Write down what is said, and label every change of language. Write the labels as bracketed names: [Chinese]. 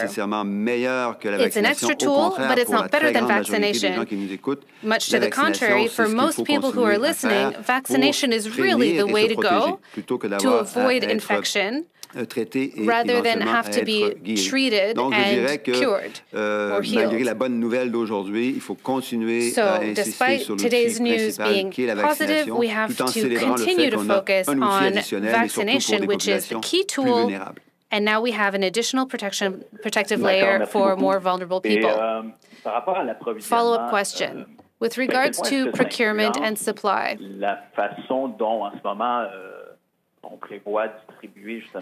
[English] It's an extra tool, but it's not better than vaccination. Much to the contrary, for most people who are listening, vaccination is really the way to go to avoid infection rather than have to be treated and cured or healed. [French] Malgré la bonne nouvelle d'aujourd'hui, il faut continuer à insister sur l'outil principal qui est la vaccination, tout en célébrant le fait qu'on a un outil additionnel et surtout pour des populations plus vulnérables. [English] We have to continue to focus on vaccination, which is the key tool, and now we have an additional protective layer for more vulnerable people. Follow-up question. With regards to procurement and supply, [French] la façon dont en ce moment on prévoit distribuer justement